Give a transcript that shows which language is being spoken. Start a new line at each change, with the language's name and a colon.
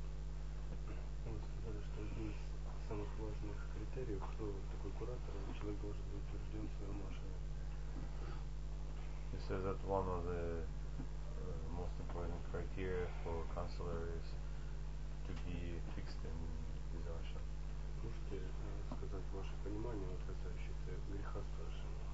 Russian: Вы сказали, что один из самых важных критериев, кто такой куратор, человек должен быть утвержден в своем ашраме.
English: You said that one of the most important criteria for a counselor is to be fixed in his ashram.
Russian: Можете сказать ваше понимание вот касающееся греха старшего?